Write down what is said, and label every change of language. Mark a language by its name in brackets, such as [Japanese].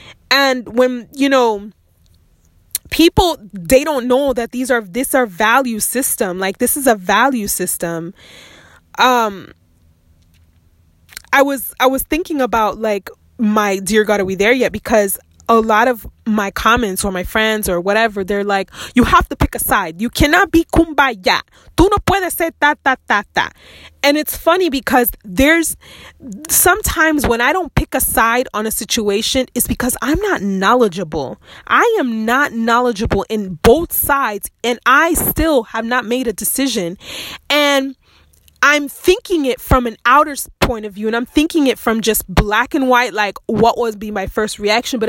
[English] And when, you know, people, they don't know that this are value system. Like this is a value system. I was thinking about like my Dear God, Are We There Yet? Because a lot of my comments or my friends or whatever, they're like, you have to pick a side. You cannot be kumbaya. [Spanish] Tú no puedes ser ta, ta, ta, ta. [English] And it's funny because there's sometimes when I don't pick a side on a situation, it's because I'm not knowledgeable. I am not knowledgeable in both sides and I still have not made a decision. And I'm thinking it from an outer point of view, and I'm thinking it from just black and white, like what would be my first reaction.